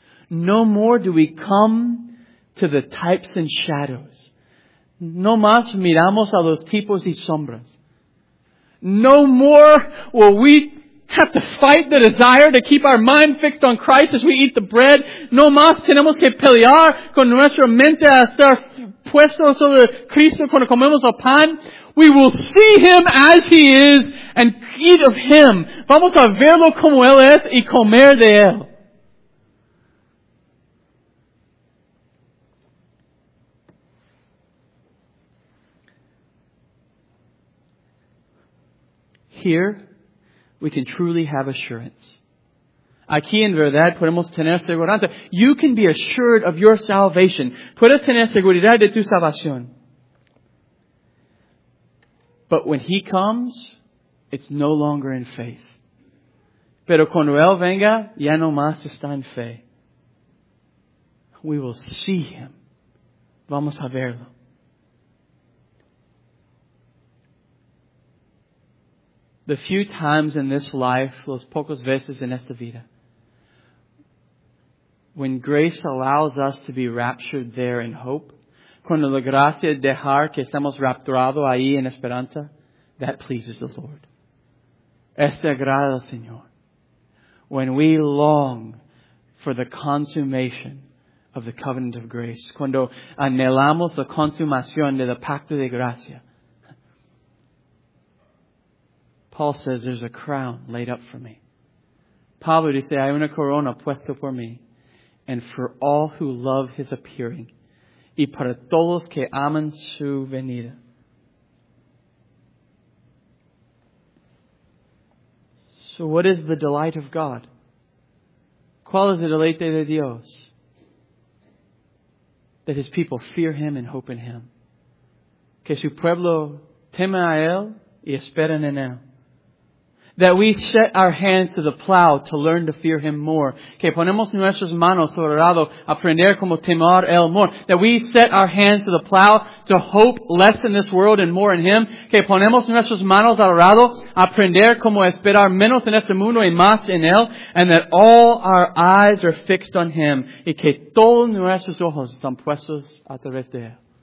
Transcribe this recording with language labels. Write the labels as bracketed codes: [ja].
[en] No more do we come to the types and shadows. [es] No más miramos a los tipos y sombras. [en] No more will we have to fight the desire to keep our mind fixed on Christ as we eat the bread. [es] No más tenemos que pelear con nuestra mente a estar puesto sobre Cristo cuando comemos el pan. [en] We will see Him as He is and eat of Him. [es] Vamos a verlo como Él es y comer de Él. [en] Here, we can truly have assurance. [es] Aquí en verdad podemos tener seguridad. [en] You can be assured of your salvation. [es] Puedes tener seguridad de tu salvación. [en] But when He comes, it's no longer in faith. [es] Pero cuando Él venga, ya no más está en fe. [en] We will see Him. [es] Vamos a verlo. [en] The few times in this life, [es] los pocos veces en esta vida, [en] when grace allows us to be raptured there in hope, [es] cuando la gracia dejar que estamos rapturados ahí en esperanza, [en] that pleases the Lord. [es] Este agrada al Señor. [en] When we long for the consummation of the covenant of grace, [es] cuando anhelamos la consumación del pacto de gracia, [en] Paul says, there's a crown laid up for me. [es] Pablo dice, hay una corona puesta por mí. [en] And for all who love His appearing. [es] Y para todos que aman su venida. [en] So what is the delight of God? [es] ¿Cuál es el deleite de Dios? [en] That His people fear Him and hope in Him. [es] Que su pueblo teme a Él y esperan en Él. [en] That we set our hands to the plow to learn to fear Him more. [es] Que ponemos nuestras manos sobre el arado, aprender como temer Él [en] more. That we set our hands to the plow to hope less in this world and more in Him. [es] Que ponemos nuestras manos al arado, aprender como esperar menos en este mundo y más en Él. [en] And that all our eyes are fixed on Him. [es] Y que todos nuestros ojos están puestos a través de Él.